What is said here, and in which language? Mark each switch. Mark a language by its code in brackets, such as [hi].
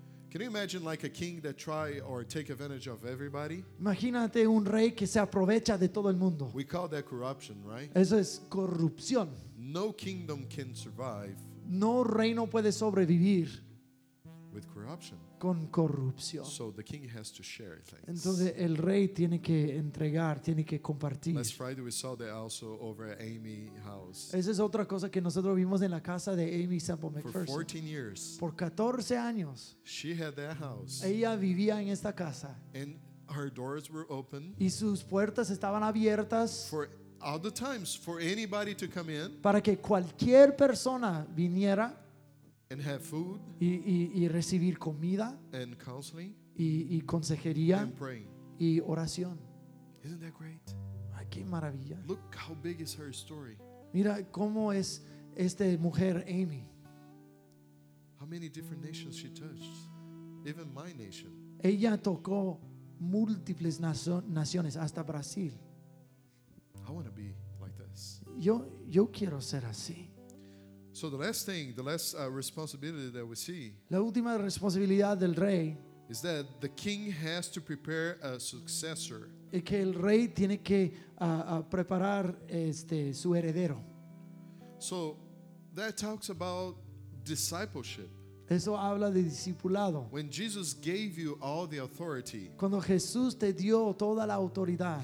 [en] Can you imagine like a king that try or take advantage of everybody? [es] Imagínate un rey que se aprovecha de todo el mundo. [en] We call that corruption, right? [es] Eso es corrupción. [en] No kingdom can survive. [es] No reino puede sobrevivir. [en] With corruption. [es] Con corrupción. [en] So the king has to share things. [es] Entonces el rey tiene que entregar, tiene que compartir. [en] Last Friday we saw that also over at Amy's house. [es] Esa es otra cosa que nosotros vimos en la casa de Amy Sample McPherson. [en] For 14 years. [es] Por 14 años. [en] She had that house. [es] Ella vivía en esta casa. [en] And her doors were open. [es] Y sus puertas estaban abiertas. [en] For all the times for anybody to come in. [es] Para que cualquier persona viniera. [en] And have food. [es] Y recibir comida. [en] And counseling. [es] Y consejería. [en] And praying. [es] Y oración. [en] Isn't that great? [es] Ay, qué maravilla. [en] Look how big is her story. [es] Mira cómo es esta mujer Amy. [en] How many different nations she touched. Even my nation. [es] Ella tocó múltiples naciones hasta Brasil. [en] I want to be like this. [es] Yo quiero ser así. [en] So the last thing, the last responsibility that we see, [es] la última responsabilidad del rey, [en] is that the king has to prepare a successor. [es] Es que el rey tiene que preparar su heredero. [en] So that talks about discipleship. [es] Eso habla de discipulado. [en] When Jesus gave you all the authority, [es] cuando Jesús te dio toda la autoridad,